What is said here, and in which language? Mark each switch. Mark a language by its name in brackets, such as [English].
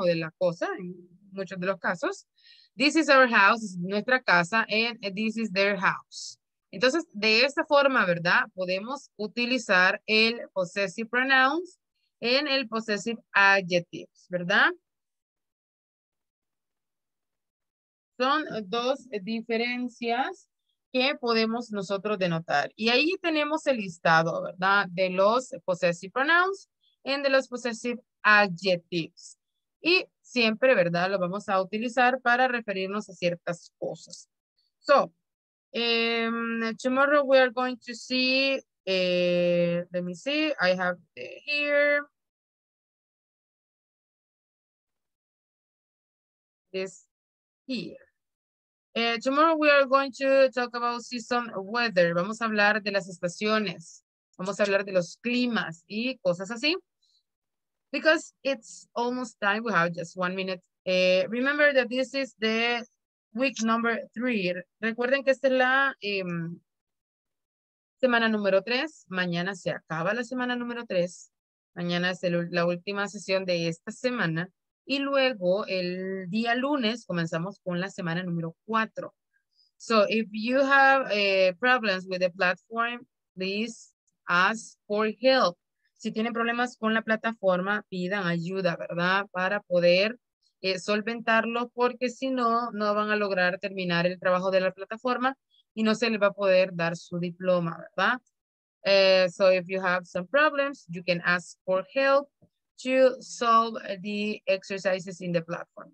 [Spanish] O de la cosa, en muchos de los casos. [English] This is our house, [Spanish] es nuestra casa, [English] and this is their house. [Spanish] Entonces, de esta forma, ¿verdad? Podemos utilizar el possessive pronouns en el possessive adjectives, ¿verdad? Son dos diferencias que podemos nosotros denotar. Y ahí tenemos el listado, ¿verdad? De los possessive pronouns en de los possessive adjectives. Y siempre, ¿verdad? Lo vamos a utilizar para referirnos a ciertas cosas. [English] So, tomorrow we are going to see, let me see, I have the here. This here. Tomorrow we are going to talk about season weather. [Spanish] Vamos a hablar de las estaciones. Vamos a hablar de los climas y cosas así. [English] Because it's almost time, we have just 1 minute. Remember that this is the week number 3. [Spanish] Recuerden que esta es la semana número 3. Mañana se acaba la semana número 3. Mañana es la última sesión de esta semana. Y luego el día lunes comenzamos con la semana número 4. [English] So if you have problems with the platform, please ask for help. [Spanish] Si tienen problemas con la plataforma, pidan ayuda, ¿verdad? Para poder solventarlo, porque si no, no van a lograr terminar el trabajo de la plataforma y no se les va a poder dar su diploma, ¿verdad? [English] So if you have some problems, you can ask for help to solve the exercises in the platform.